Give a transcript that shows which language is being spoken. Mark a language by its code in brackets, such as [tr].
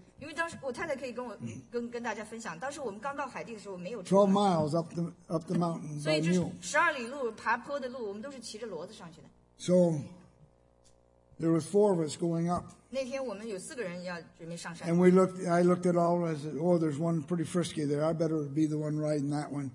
[zh] 因为当时我太太可以跟大家分享，当时我们刚到海地的时候没有。 [en] 12 miles up the mountain by mule. [zh] 所以这十二里路爬坡的路，我们都是骑着骡子上去的。 [en] So there was four of us going up. [zh] 那天我们有四个人要准备上山。 [en] And I looked at all and I said, "Oh, there's one pretty frisky there. I better be the one riding that one."